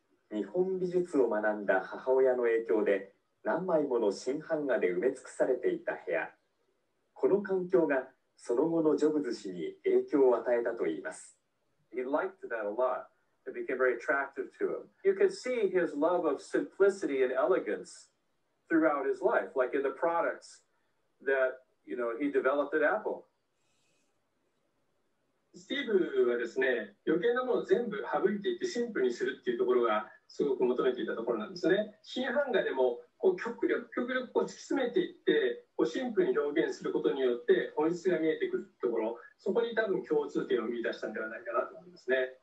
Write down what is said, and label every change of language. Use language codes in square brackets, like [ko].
[ja] 日本美術を学んだ母親の影響で何枚もの新版画で埋め尽くされていた部屋。この環境がその後のジョブズ氏に影響を与えたといいます。 [en] He liked that a lot. It became very attractive to him. You can see his love of simplicity and elegance throughout his life, like in the products that, you know, he developed at Apple. [ja] スティーブはですね、余計なものを全部省いていってシンプルにするっていうところがすごく求めていたところなんですね。新版画でもこう極力こう突き詰めていって、こうシンプルに表現することによって本質が見えてくるところ、そこに多分共通点を見出したのではないかなと思いますね。